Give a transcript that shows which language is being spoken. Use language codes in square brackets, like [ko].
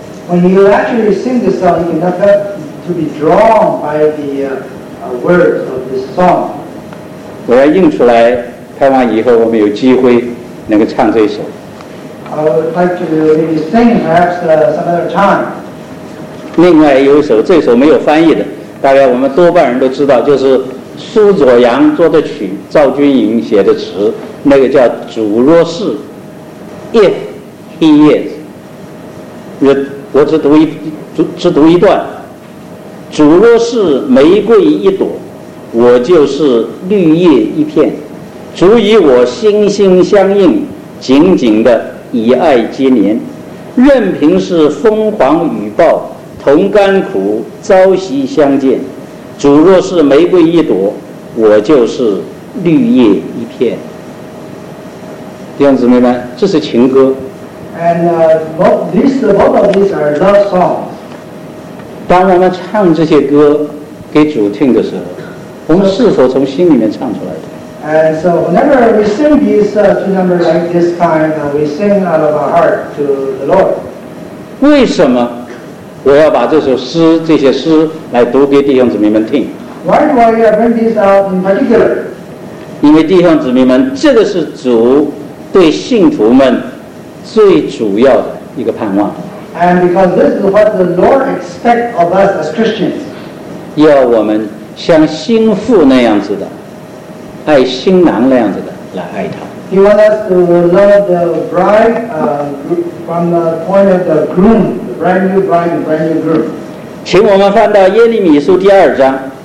[en] When you actually sing this song, you cannot help to be drawn by the words of this song. [zh] 我要印出来，盼望以后我们有机会能够唱这一首。 [en] I would like to maybe sing perhaps some other time. [zh] 另外有一首，这首没有翻译的，大概我们多半人都知道，就是苏左阳作的曲，赵君莹写的词，那个叫主若是 [en] If he is。 [zh] 我只读一段，主若是玫瑰一朵，我就是绿叶一片，足以我心心相印，紧紧的以爱接连，任凭是风狂雨暴，同甘苦朝夕相见，主若是玫瑰一朵，我就是绿叶一片。弟兄姊妹们，这是情歌。 [en] And both of these are love songs. [zh] 当我们唱这些歌给主听的时候，我们是否从心里面唱出来的？ [en] And so whenever we sing these two numbers like this kind, we sing out of our heart to the Lord. [zh] 为什么我要把这首诗、这些诗来读给弟兄姊妹们听？ [en] Why do I bring these out in particular? [zh] 因为弟兄姊妹们，这个是主对信徒们最主要的一个盼望。 [en] And because this is what the Lord expects of us as Christians. [zh] 要我们像心腹那样子的，爱新郎那样子的来爱他。 [en] He wants us to love the bride from the point of the groom, the brand new bride and brand new groom. [zh] 请我们翻到耶利米书第二章。